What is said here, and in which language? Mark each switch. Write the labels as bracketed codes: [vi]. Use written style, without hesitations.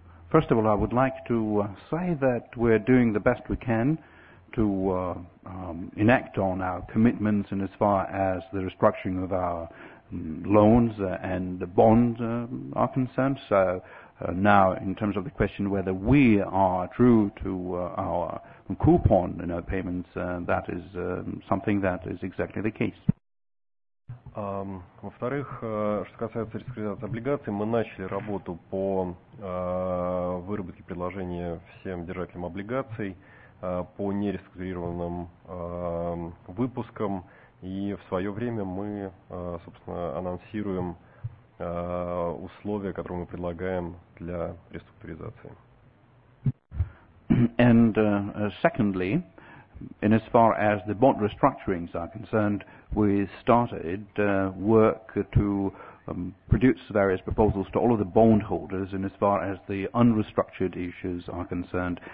[en] First of all, I would like to say that we're doing the best we can to enact on our commitments and as far as the restructuring of our loans and bonds are concerned. So now in terms of the question whether we are true to our coupon in our payments, that is something that is exactly the case. [ru] Во-вторых, что касается реструктуризации облигаций, мы начали работу по выработке предложения всем держателям облигаций по нереструктурированным выпускам. И в свое время мы, собственно, анонсируем условия, которые мы предлагаем для реструктуризации. [en] And secondly, in as far as the bond restructurings are concerned, we started work to produce various proposals to all of the bondholders in as far as the unrestructured issues are concerned.